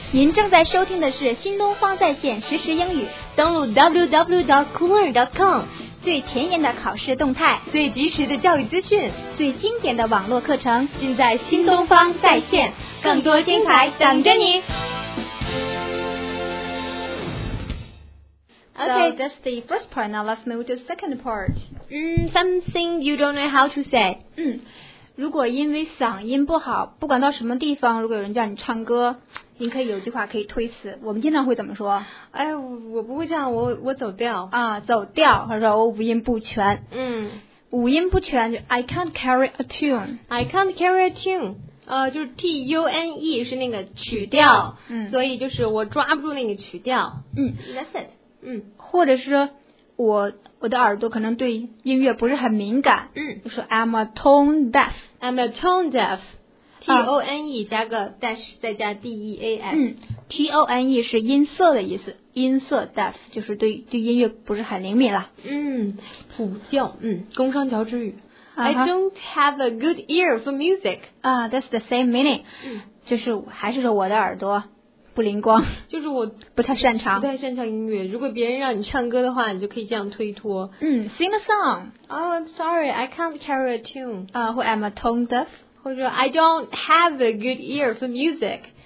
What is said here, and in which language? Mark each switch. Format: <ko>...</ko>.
<zh>您正在收听的是新东方在线实时英语，登录 www.cooler.com。最前沿的考试动态，最及时的教育资讯，最经典的网络课程，尽在新东方在线，更多精彩等着你。</zh> <en>So that's the first part, now let's move to the second part. Something you don't know how to say.</en> <zh>如果因为嗓音不好，不管到什么地方，如果有人叫你唱歌，你可以有句话可以推辞，我们经常会怎么说？哎，我不会这样，我走调。走调，或者说我五音不全。五音不全就</zh> <en>I can't carry a tune。 I can't carry a tune。</en> <zh>就是 T-U-N-E 是那个曲调。所以就是我抓不住那个曲调。</zh> <en>That's it。</en> <zh>或者是我的耳朵可能对音乐不是很敏感，就说</zh> <en>I'm a tone deaf， I'm a tone deaf， T-O-N-E 加个 dash 再加 D-E-A-F，</en> <zh>T-O-N-E 是音色的意思，音色 deaf 就是对音乐不是很灵敏了，普教，工商乔治语。</zh> <en>I don't have a good ear for music. Ah, that's the same meaning.</en> <zh>就是还是说我的耳朵不灵光，就是我不太擅长，不太擅长音乐。如果别人让你唱歌的话，你就可以这样推脱。</zh> <en>Sing a song. Oh, I'm sorry, I can't carry a tune. Who am a tone deaf?</en> <zh>或者</zh> <en>I don't have a good ear for music.</en>